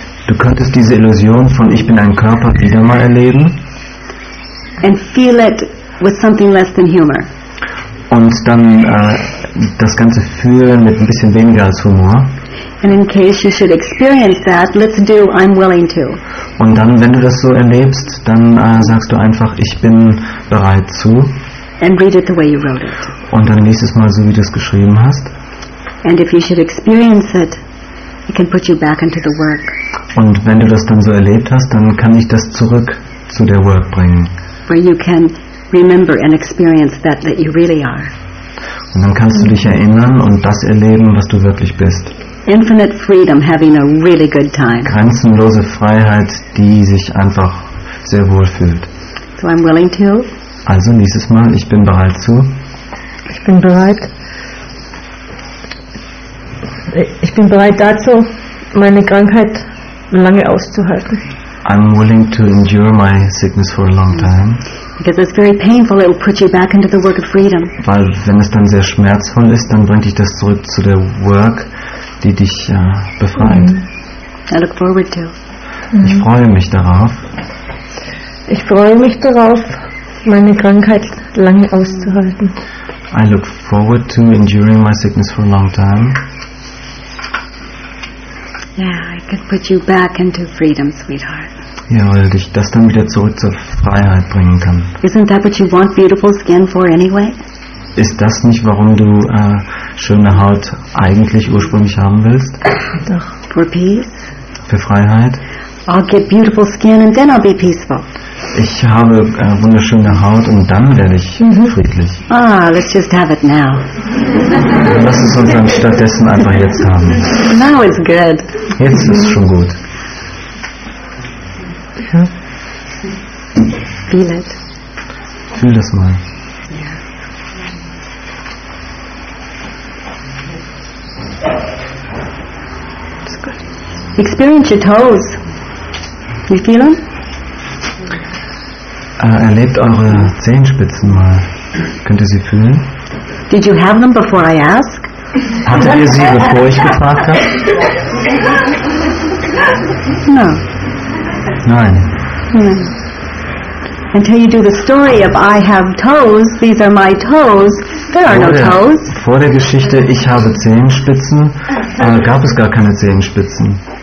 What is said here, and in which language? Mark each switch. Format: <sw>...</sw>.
<de>Du könntest diese Illusion von ich bin ein Körper wieder mal erleben.</de> <en>And feel it with something less than humor.</en> <de>Und dann das Ganze fühlen mit ein bisschen weniger als Humor.</de> <en>And in case you should experience that, let's do I'm willing to.</en> <de>Und dann, wenn du das so erlebst, dann sagst du einfach, ich bin bereit zu.</de> <en>And read it the way you wrote it.</en> <de>Und dann liest es mal so, wie du es geschrieben hast.</de> <en>And if you should experience it, it can put you back into the work.</en> <de>Und wenn du das dann so erlebt hast, dann kann ich das zurück zu der Work bringen.</de> <en>Where you can remember and experience that you really are.</en> <de>Und dann kannst du dich erinnern und das erleben, was du wirklich bist.</de> <en>Infinite freedom, having a really good time.</en> <de>Grenzenlose Freiheit, die sich einfach sehr wohl fühlt.</de> <en>So I'm willing to.</en> <de>Also nächstes Mal, ich bin bereit zu. Ich bin bereit. Ich bin bereit dazu, meine Krankheit lange auszuhalten.</de> <en>I'm willing to endure my sickness for a long time. Because it's very painful, it will put you back into the work of freedom.</en> <de>Weil wenn es dann sehr schmerzvoll ist, dann bringt dich das zurück zu der Work, die dich befreit.</de> <en>I look forward to.</en> <de>Ich freue mich darauf. Ich freue mich darauf, meine Krankheit lange auszuhalten.</de> <en>I look forward to enduring my sickness for a long time. Yeah, I could put you back into freedom, sweetheart.</en> <de>Ja, weil dich das dann wieder zurück zur Freiheit bringen kann.</de> <en>Isn't that what you want beautiful skin for anyway?</en> <de>Ist das nicht, warum du schöne Haut eigentlich ursprünglich haben willst?</de> <en>Doch. For peace.</en> <de>Für Freiheit.</de> <en>I'll get beautiful skin and then I'll be peaceful.</en> <de>Ich habe wunderschöne Haut und dann werde ich friedlich.</de> <en>Ah, let's just have it now.</en> <de>Lass es uns dann stattdessen einfach jetzt haben.</de> <en>Now it's good.</en> <de>Jetzt ist es schon gut.</de> <en>Ja. Feel it.</en> <de>Fühl das mal.</de> <en>Experience your toes. You feel them?</en> <de>Erlebt eure Zehenspitzen mal. Könnt ihr sie fühlen?</de> <en>Did you have them before I ask?</en> <de>Hattet ihr sie, bevor ich gefragt habe?</de> <en>No.</en> <de>Nein.</de> <en>No. Until you do the story of I have toes, these are my toes, there are no toes.</en> <de>Vor der Geschichte, ich habe Zehenspitzen, gab es gar keine Zehenspitzen.</de>